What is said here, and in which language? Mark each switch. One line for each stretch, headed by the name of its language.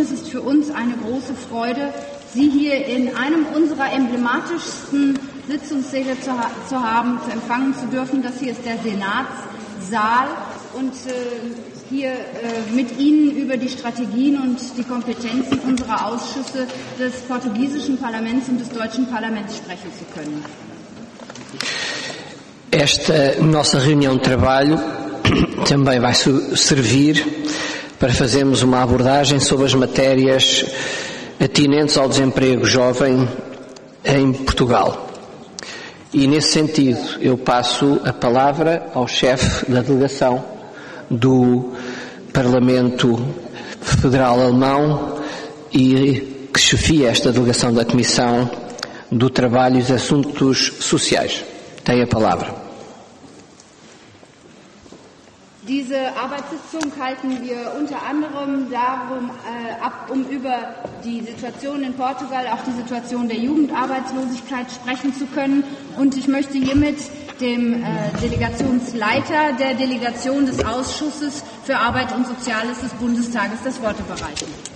German: Es ist für uns eine große Freude, Sie hier in einem unserer emblematischsten Sitzungssäle zu haben, zu empfangen zu dürfen. Das hier ist der Senatssaal und hier mit Ihnen über die Strategien und die Kompetenzen unserer Ausschüsse des portugiesischen Parlaments und des deutschen Parlaments sprechen zu können.
Portuguese: Esta nossa reunião de trabalho também vai servir para fazermos uma abordagem sobre as matérias atinentes ao desemprego jovem em Portugal. E nesse sentido, eu passo a palavra ao chefe da delegação do Parlamento Federal Alemão e que chefia esta delegação da Comissão do Trabalho e dos Assuntos Sociais. Tem a palavra.
German: Diese Arbeitssitzung halten wir unter anderem darum ab, um über die Situation in Portugal, auch die Situation der Jugendarbeitslosigkeit sprechen zu können. Und ich möchte hiermit dem Delegationsleiter der Delegation des Ausschusses für Arbeit und Soziales des Bundestages das Wort überreichen.